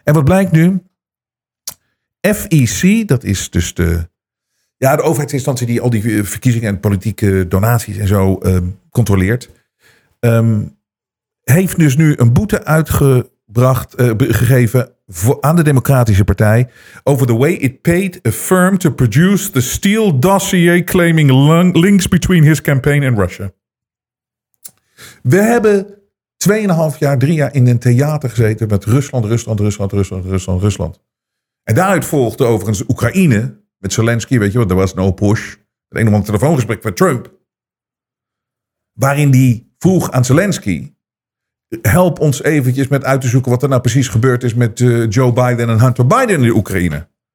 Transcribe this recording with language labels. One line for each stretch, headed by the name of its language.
Dutch: En wat blijkt nu? FEC, dat is dus de overheidsinstantie die al die verkiezingen en politieke donaties en zo controleert. Heeft dus nu een boete uitgebracht, gegeven voor, aan de Democratische Partij.
English: Over the way it paid a firm to produce the Steele dossier claiming links between his campaign and Russia.
Dutch: We hebben 2,5 jaar, 3 jaar in een theater gezeten met Rusland. En daaruit volgde overigens Oekraïne met Zelensky, weet je wat, er was no push. Het een of ander telefoongesprek met Trump. Waarin die vroeg aan Zelensky, help ons eventjes met uit te zoeken wat er nou precies gebeurd is met Joe Biden en Hunter Biden in de Oekraïne.